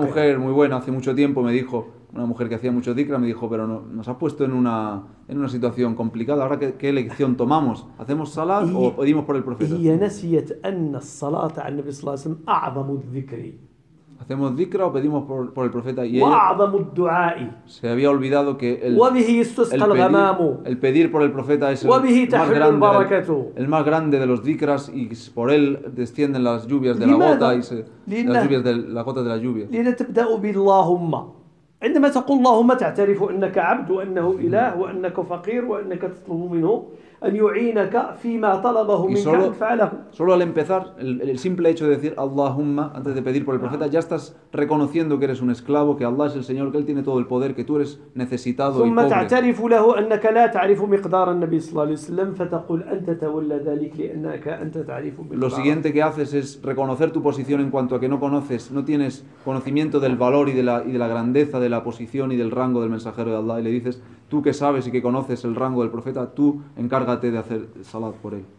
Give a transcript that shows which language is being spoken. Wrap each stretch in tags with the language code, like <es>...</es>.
<es>Una mujer muy buena hace mucho tiempo me dijo, una mujer que hacía mucho dhikra me dijo, pero no, nos has puesto en una situación complicada, ahora qué elección tomamos, hacemos salat o pedimos por el profeta.</es> <ar>هي نسيت أن الصلاة على النبي صلى الله عليه وسلم أعظم الذكر.</ar> <es>Hacemos dhikra o pedimos por el profeta y ella se había olvidado que el pedir por el profeta es el más grande de los dhikras y por él descienden las lluvias de la gota y las gotas de la lluvia.</es> <ar>لتبدأ باللهم عندما تقول اللهم تعترف أنك عبد وأنه إله وأنك فقير وأنك تطلب منه أن يعينك فيما طلبه منك أن فعله.</ar> <es>Solo al empezar, el simple hecho de decir Allahumma antes de pedir por el profeta, ya estás reconociendo que eres un esclavo, que Allah es el Señor, que Él tiene todo el poder, que tú eres necesitado y pobre.</es> <ar>ثم تعترف له أنك لا تعرف مقدار النبي صلى الله عليه وسلم فتقول أنت تولى ذلك لأنك أنت تعرف مقدار.</ar> <es>Lo siguiente que haces es reconocer tu posición en cuanto a que no tienes conocimiento del valor y de la grandeza de la posición y del rango del mensajero de Allah y le dices, tú que sabes y que conoces el rango del profeta, tú encárgate de hacer salat por él.</es>